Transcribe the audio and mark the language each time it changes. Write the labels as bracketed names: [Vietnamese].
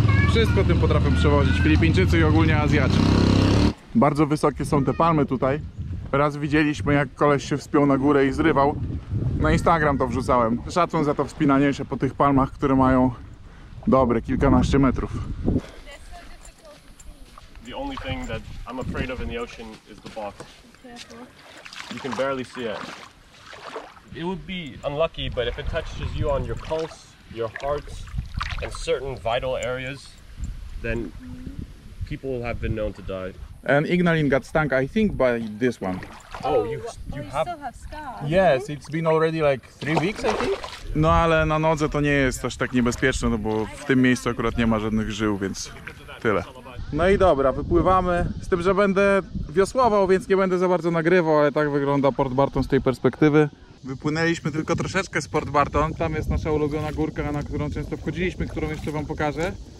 [Polish] Wszystko tym potrafią przewozić Filipińczycy i ogólnie Azjaci. Bardzo wysokie są te palmy tutaj. Raz widzieliśmy, jak koleś się wspiął na górę i zrywał. Na Instagram to wrzucałem. Szacun za to wspinanie się po tych palmach, które mają dobre kilkanaście metrów. [English] The only thing that I'm afraid of in the ocean is the box. You can barely see it. It would be unlucky, but if it touches you on your pulse, your heart, and certain vital areas, then people have been known to die. And Ignalin got stung, I think, by this one. Oh, you have... still have scars. Yes, it's been already like 3 weeks, I think. [Polish] No, ale na nodze to nie jest aż tak niebezpieczne, no bo w tym miejscu akurat nie ma żadnych żył, więc tyle. No i dobra, wypływamy. Z tym, że będę wiosłował, więc nie będę za bardzo nagrywał, ale tak wygląda Port Barton z tej perspektywy. Wypłynęliśmy tylko troszeczkę z Port Barton. Tam jest nasza ulubiona górka, na którą często wchodziliśmy, którą jeszcze wam pokażę.